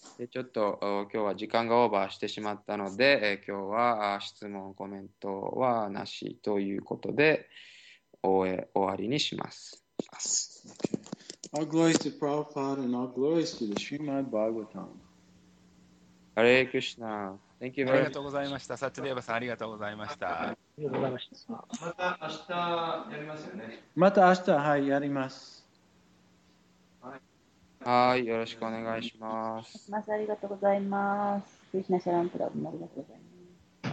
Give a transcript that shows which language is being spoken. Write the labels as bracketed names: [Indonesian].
[Japanese] ちょっと今日は時間がオーバーしてしまったので、今日は質問コメントはなしということで終わりにします。 [English] Okay. All glories to Prabhupada and all glories to the Srimad Bhagavatam. Hare Krishna. Thank you very much. [Japanese] ありがとうございました。サチデーバさん、ありがとうございました。また明日やりますよね。また明日、はい、やります。はい、よろしくお願いします。ありがとうございます。クリシナ・シャランプラブもありがとうございます。